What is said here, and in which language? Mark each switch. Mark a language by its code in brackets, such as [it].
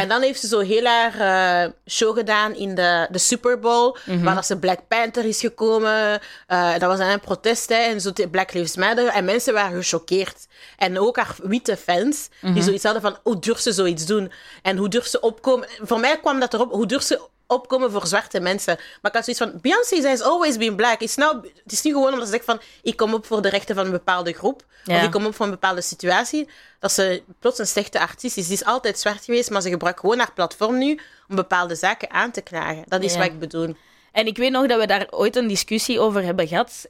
[nl] En dan heeft ze zo heel haar show gedaan in de Super Bowl, waar ze Black Panther is gekomen. Dat was een protest, hè, en zo Black Lives Matter. En mensen waren gechoqueerd. En ook haar witte fans, die zoiets hadden van, hoe durft ze zoiets doen? En hoe durft ze opkomen? Voor mij kwam dat erop, hoe durft ze opkomen voor zwarte mensen? Maar ik had zoiets van, [en] Beyoncé has always been black. [nl] Het is niet gewoon omdat ze zegt van, ik kom op voor de rechten van een bepaalde groep. Yeah. Of ik kom op voor een bepaalde situatie. Dat ze plots een slechte artiest is. Ze is altijd zwart geweest, maar ze gebruikt gewoon haar platform nu om bepaalde zaken aan te klagen. Dat is wat ik bedoel. En ik weet nog dat we daar ooit een discussie over hebben gehad.